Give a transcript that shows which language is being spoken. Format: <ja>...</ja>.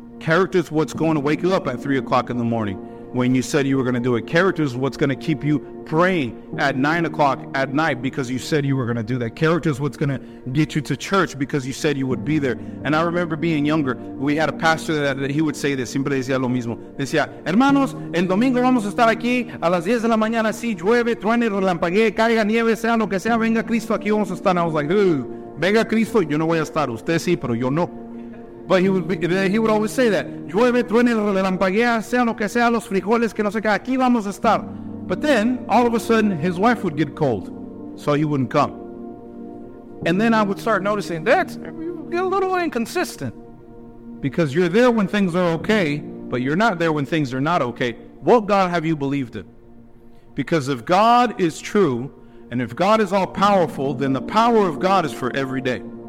<en>Character is what's going to wake you up at 3 o'clock in the morning when you said you were going to do it. Character is what's going to keep you praying at 9 o'clock at night because you said you were going to do that. Character is what's going to get you to church because you said you would be there. And I remember being younger, we had a pastor that he would say this.</en> <es>Siempre decía lo mismo. Decía, hermanos, el domingo vamos a estar aquí a las 10 de la mañana. Si llueve, truene, relampaguee, caiga nieve, sea lo que sea, venga Cristo, aquí vamos a estar.</es> <en>And I was like,</en> <es>venga Cristo, yo no voy a estar. Usted sí, pero yo no.</es> <en>But he would always say that.</en> <es>Llueve, truene, relampaguea, sea lo que sea, los frijoles, que no sé qué, aquí vamos a estar.</es> <en>But then, all of a sudden, his wife would get cold, so he wouldn't come. And then I would start noticing, you're a little inconsistent. Because you're there when things are okay, but you're not there when things are not okay. What God have you believed in? Because if God is true, and if God is all-powerful, then the power of God is for every day.</en>